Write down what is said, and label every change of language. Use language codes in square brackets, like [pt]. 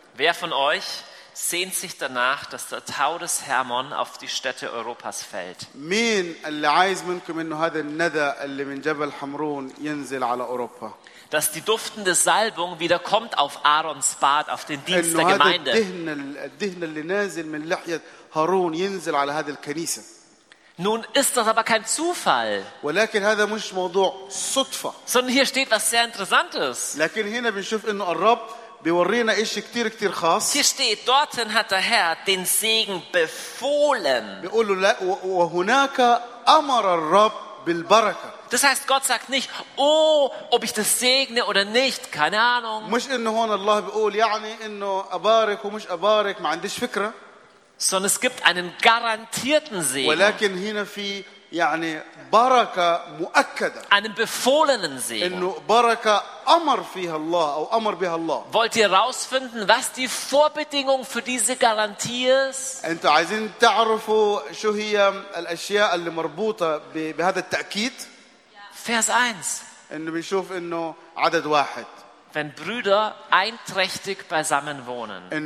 [de] Wer von euch sehnt sich danach, dass der Tau des Hermon auf die Städte Europas fällt? [ar] مين اللي عايز منكم إنه هذا الندى اللي من جبل حمرون ينزل على أوروبا؟ [de] Dass die duftende Salbung wieder kommt auf Aarons Bart, auf den Dienst der Gemeinde. [ar] إنه هذا الدهن اللي نازل من لحية هارون ينزل على هذه الكنيسة. [de] Nun ist das aber kein Zufall. [ar] ولكن هذا مش موضوع صدفة. [de] Sondern hier steht was sehr Interessantes. [ar] لكن هنا بنشوف إنه الرب بيورينا إشي كتير كتير خاص. [de] Hier steht, dorthin hat der Herr den Segen befohlen. [ar] بيقولوا لا وهناك أمر الرب بالبركة. [de] Das heißt, Gott sagt nicht, oh, ob ich das segne oder nicht, keine Ahnung. [ar] مش إنه هون الله بيقول يعني إنه أبارك ومش أبارك ما عنديش فكرة. [de] Sondern es gibt einen garantierten Segen. [ar] ولكن هنا في يعني بركة مؤكدة. [de] Einen befohlenen Segen. [ar] إنه بركة أمر فيها الله أو أمر بها الله. [de] Wollt ihr rausfinden, was die Vorbedingung für diese Garantie ist? [ar] أنتوا عايزين تعرفوا شو هي الأشياء اللي مربوطة بهذا التأكيد؟ [de] Vers 1. [ar] إنه بنشوف إنه عدد واحد. [de] Wenn Brüder einträchtig beisammen wohnen.